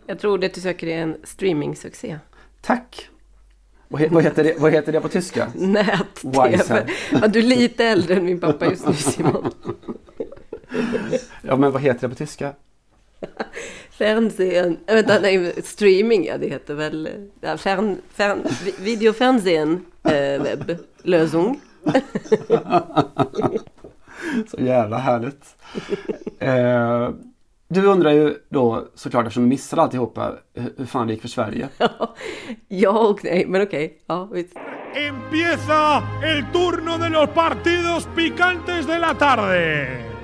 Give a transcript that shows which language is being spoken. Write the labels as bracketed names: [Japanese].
[Swedish] Jag tror det du söker är en streaming-succé. Tack! Vad heter det på tyska? Nät-tv. Ja, du är lite äldre än min pappa just nu, Simon. Ja, men vad heter det på tyska? Fernsehen. Vänta, nej, streaming, ja, det heter väl... Ja, videofernsehen, webblösung. Så jävla härligt. Du undrar ju då såklart, eftersom vi missar alltihopa, hur fan det gick för Sverige. Ja och nej, men okej. Ja, visst. [Spanish] Empieza el turno de los partidos picantes de la tarde.